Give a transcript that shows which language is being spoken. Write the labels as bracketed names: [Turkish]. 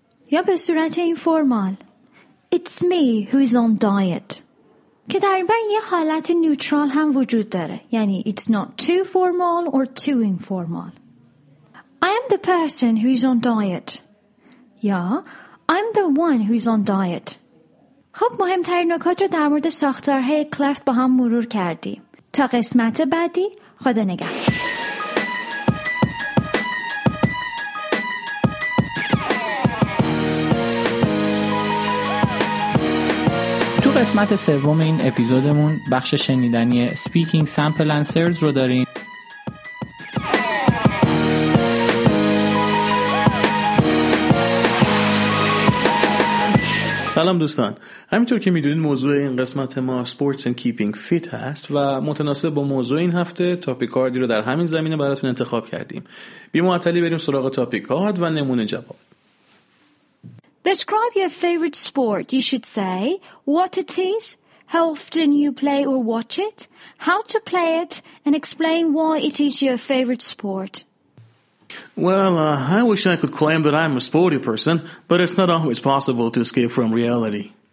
[Persian] یا به صورت این فرمال [English] It's me who is on diet. [Persian] که در این بر یه حالت نیوترال هم وجود داره. [English] یعنی It's not too formal or too informal. I am the person who is on diet. Yeah, I'm the one who is on diet. [Persian] خب مهمترین نکات رو در مورد ساختارهای کلفت با هم مرور کردیم. تا قسمت بعدی خدا نگهدار. تو قسمت سوم این اپیزودمون بخش شنیدنی speaking sample answers رو داریم. سلام دوستان، همینطور که میدونید موضوع این قسمت ما sports and keeping fit هست و متناسب با موضوع این هفته topic card رو در همین زمینه براتون انتخاب کردیم. بی‌معطلی بریم سراغ topic card و نمونه جواب. [English] Describe your favorite sport. You should say what it is, how often you play or watch it, how to play it and explain why it is your favorite sport. Well, I wish I could claim that I'm a sporty person, but it's not always possible to escape from reality.